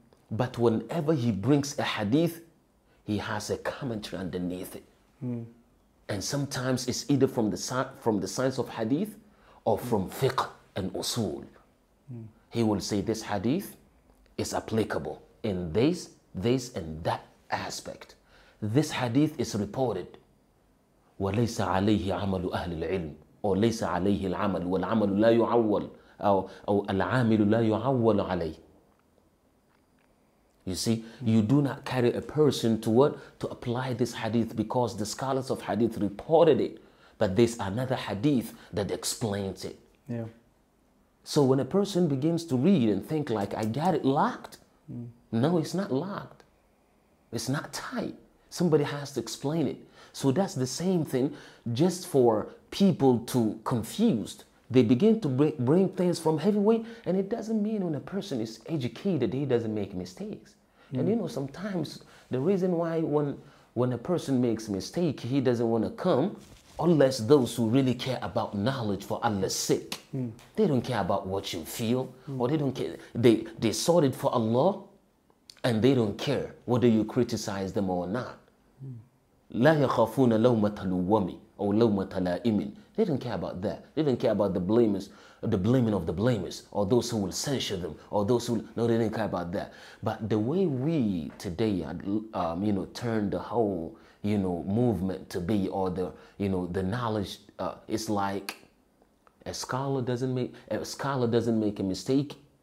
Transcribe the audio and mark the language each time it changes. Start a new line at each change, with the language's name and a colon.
English: But whenever he brings a hadith, he has a commentary underneath it. And sometimes it's either from the science of hadith or from fiqh and usul. He will say this hadith is applicable in this, this, and that aspect. This hadith is reported.
Arabic: وليس عليه عمل أهل العلم أو ليس عليه العمل والعمل لا يعول أو العامل لا يعول عليه.
English: You see, you do not carry a person to what? To apply this hadith because the scholars of hadith reported it, but there's another hadith that explains it. Yeah. So when a person begins to read and think like, I got it locked. No, it's not locked. It's not tight. Somebody has to explain it. So that's the same thing, just for people to confused. They begin to bring things from heavyweight, and it doesn't mean when a person is educated, he doesn't make mistakes. Mm. And you know, sometimes the reason why when a person makes mistake, he doesn't want to come, unless those who really care about knowledge for Allah's sake. They don't care about what you feel, or they don't care. They sought it for Allah, and they don't care whether you criticize them or not.
Arabic: لا يخافون لومة لوامي أو لومة لائم.
English: They don't care about that. They don't care about the blamers, the blaming of the blamers, or those who will censure them, or those who will, no, they don't care about that. But the way we today, you know, turn the whole, you know, movement to be, or the, you know, the knowledge, it's like a scholar doesn't make a mistake.